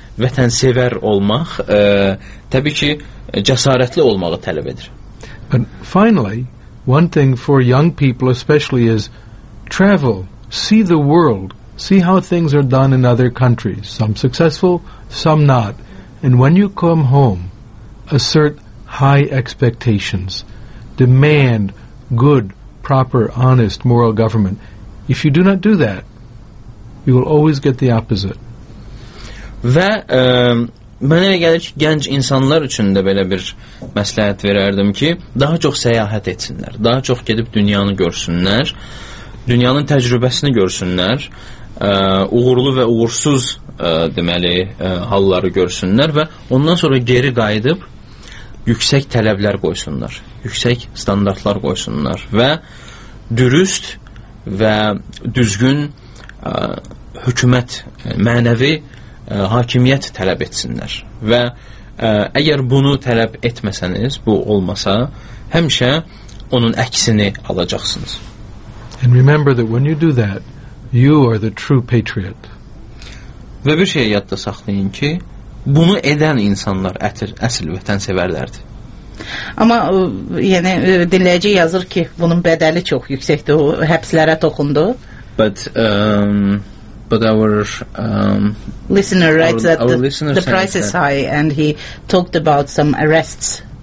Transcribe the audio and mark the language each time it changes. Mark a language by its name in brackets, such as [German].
[Azerbaijani] vətənsevər olmaq təbii ki, cəsarətli olmağı tələb edir. [English] But finally, one thing for young people especially is travel, see the world, see how things are done in other countries, some successful, some not. And when you come home, assert high expectations, demand good, proper, honest, moral government. If you do not do that, you will always get the opposite. [Azerbaijani] Və mənə gəlir ki, gənc insanlar üçün də belə bir məsləhət verərdim ki, daha çox səyahət etsinlər, daha çox gedib dünyanı görsünlər, dünyanın təcrübəsini görsünlər, uğurlu və uğursuz deməli halları görsünlər və ondan sonra geri qayıdıb yüksək tələblər qoysunlar, yüksək standartlar qoysunlar və dürüst və düzgün hökumət, mənəvi hakimiyyət tələb etsinlər və əgər bunu tələb etməsəniz, bu olmasa, həmişə onun əksini alacaqsınız. [English] And remember that when you do that, you are the true patriot. [Azerbaijani] Və bir şey yadda saxlayın ki, bunu edən insanlar əsl vətənsevərlərdir. Amma yəni dinləyici yazır ki, bunun bədəli çox yüksəkdir, o həbslərə toxundu. [English] But our listener writes that the price is high and he talked about some arrests.